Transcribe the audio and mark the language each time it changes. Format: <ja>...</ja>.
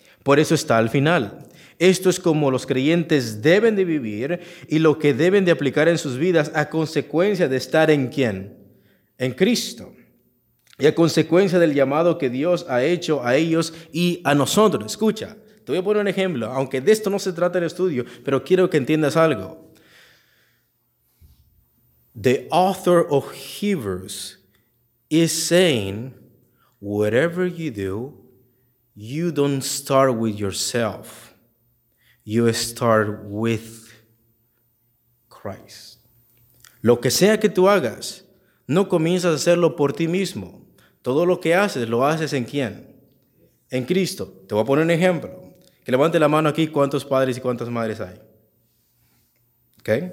<es>Por eso está al final. Esto es como los creyentes deben de vivir y lo que deben de aplicar en sus vidas a consecuencia de estar en ¿quién? En Cristo. Y a consecuencia del llamado que Dios ha hecho a ellos y a nosotros. Escucha, te voy a poner un ejemplo, aunque de esto no se trata el estudio, pero quiero que entiendas algo.</es> <en>The author of Hebrews is saying, whatever you do, you don't start with yourself. You start with Christ.</en> <es>Lo que sea que tú hagas, no comienzas a hacerlo por ti mismo. Todo lo que haces, lo haces ¿en quién? En Cristo. Te voy a poner un ejemplo. Que levante la mano aquí cuántos padres y cuántas madres hay. ¿Ok?</es>